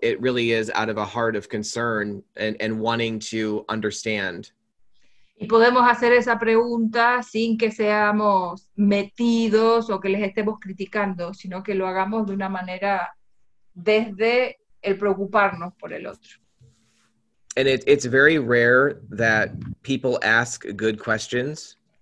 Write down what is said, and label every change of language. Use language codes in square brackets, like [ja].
[en] It really is out of a heart of concern and wanting to understand. [es] Y podemos hacer esa pregunta sin que seamos metidos o que les estemos criticando, sino que lo hagamos de una manera desde el preocuparnos por el otro. [en] And it's very rare that people ask good questions.